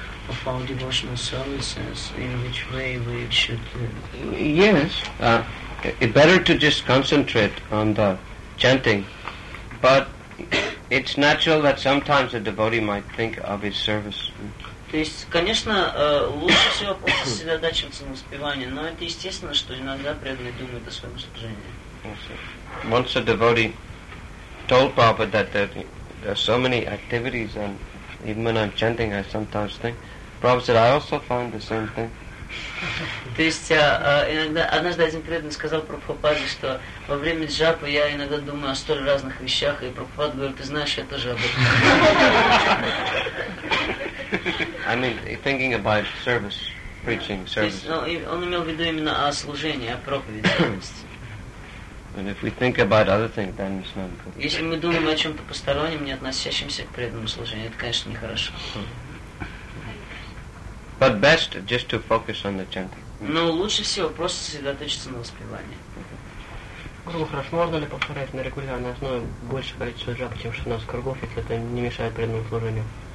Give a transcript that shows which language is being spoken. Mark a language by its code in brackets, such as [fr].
[en] of our devotional services, in which way we should... Yes, it's better to just concentrate on the chanting, but it's natural that sometimes a devotee might think of his service. [ru] То есть, конечно, лучше всего сосредотачиваться на успевании, но это естественно, что иногда преданные думают о своем служении. [en] Once a devotee told Prabhupada that there are so many activities, and even when I'm chanting, I sometimes think. Prabhupada said, I also find the same thing. [ru] То есть, иногда однажды один преданный сказал Прабхупаде, что во время джапы я иногда думаю о столь разных вещах, и Прабхупада говорит, ты знаешь, я тоже об этом. [en] I mean, thinking about service, preaching, service. [ru] Он имел в виду именно о служении, о проповеди. [en] And if we think about other things, then it's not good. [ru] Если мы думаем о чем-то постороннем, не относящемся к преданному служению, это, конечно, нехорошо. [en] But best just to focus on the chanting. [ru] Но лучше всего просто сосредоточиться на воспевании. Хорошо, можно ли повторять на регулярной основе большее количество джап, чем 16 кругов, если это не мешает преданному служению?